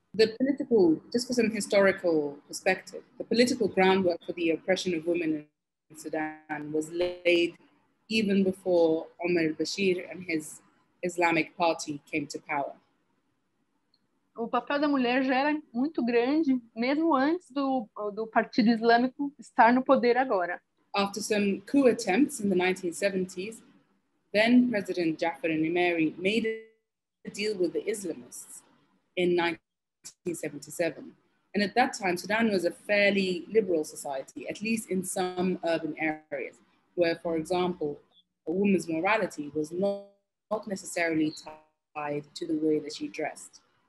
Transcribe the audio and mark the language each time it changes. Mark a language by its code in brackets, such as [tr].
[en] The political, just for some historical perspective, the political groundwork for the oppression of women in Sudan was laid even before Omar al-Bashir and his Islamic party came to power. [pt] O papel da mulher já era muito grande, mesmo antes do Partido Islâmico estar no poder agora. [en] After some coup attempts in the 1970s, then President Jafar Nimeiri made a deal with the Islamists in 1977. And at that time, Sudan was a fairly liberal society, at least in some urban areas, where, for example, a woman's morality was not necessarily tied to the way that she dressed.